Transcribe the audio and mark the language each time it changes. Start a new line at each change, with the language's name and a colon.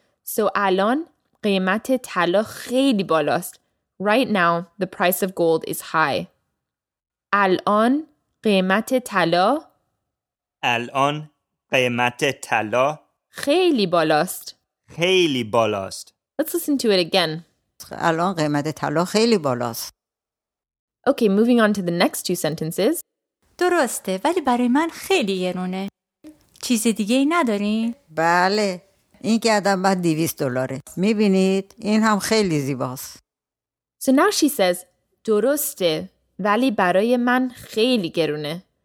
Persian: So الان قیمت طلا خیلی بالاست.
English: Right now, the price of gold is high.
Persian: الان قیمت طلا. الان قیمت طلا. خیلی بالاست. خیلی بالاست.
English: Let's listen to it again.
Persian: الان قیمت طلا خیلی بالاست.
English: Okay, moving on to the next two sentences.
Persian: درسته, ولی برای من خیلی گرونه. چیز دیگه ای ندارین؟ بله. این گردن بعد 200 دلاره. میبینید؟ این هم خیلی زیباست.
English: So now she says,
Persian: درسته ولی برای من خیلی گرونه.